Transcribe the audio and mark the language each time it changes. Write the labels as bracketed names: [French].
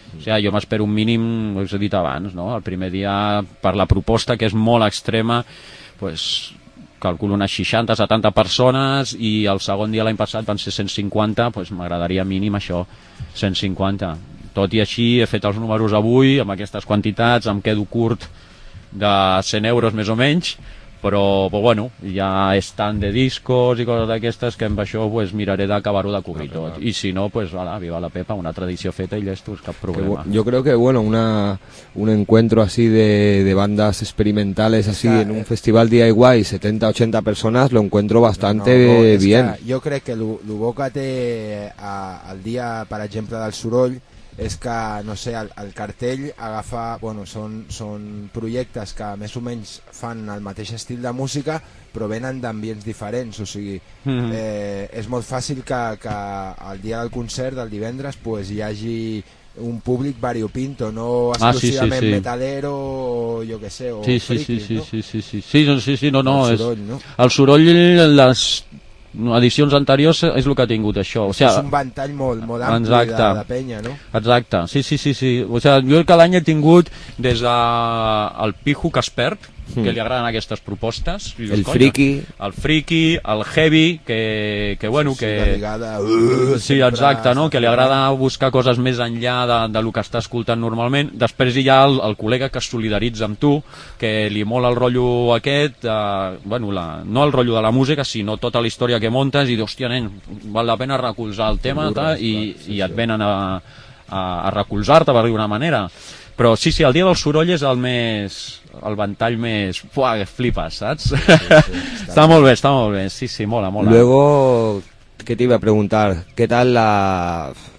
[Catalan] O sigui, jo m'espero un mínim, ho he dit abans, no? El primer dia, per la proposta, que és molt extrema, pues, calculo unes 60-70 persones, i el segon dia l'any passat van ser 150, pues, m'agradaria mínim això, 150. Tot i així, he fet els números avui, amb aquestes quantitats, em quedo curt de 100 euros més o menys, però bueno, hi ha stand de discos i coses d'aquestes que amb això pues, miraré d'acabar-ho de cobrir tot. I si no, pues ala, viva la Pepa, una tradició feta i llestos, cap problema. [Spanish] Jo creo que, bueno, un encuentro así de bandas experimentales así en un festival DIY, 70-80 personas, lo encuentro bastante bien. [Catalan] Jo crec que l'UBO que té al dia, per exemple, del Soroll, és que, no sé, el cartell agafa, bueno, són projectes que més o menys fan el mateix estil de música, però venen d'ambients diferents, o sigui, és molt fàcil que el dia del concert, del divendres, pues, hi hagi un públic variopinto, no exclusivament metalero, o jo què sé, o friquis, no? El soroll, les edicions anteriors és el que ha tingut això. O sigui, és un ventall molt ampli de penya, no? Exacte, sí. O sigui, jo el que l'any he tingut des del Pijo Caspert, que li agraden aquestes propostes. I dius, friki. El friki, el heavy, que bueno, que... Sí, exacte, no? Que li agrada buscar coses més enllà de lo que està escoltant normalment. Després hi ha el col·lega que es solidaritza amb tu, que li mola el rotllo aquest, bueno, no el rotllo de la música, sinó tota la història que montes, i dius, hòstia, nen, val la pena recolzar el tema, i et venen a recolzar-te, per dir una manera. Però sí, el dia del soroll és el ventall més... Pua, flipes, saps? Sí, està molt bé, sí, mola. [Spanish] Luego, ¿qué te iba a preguntar? ¿Qué tal la...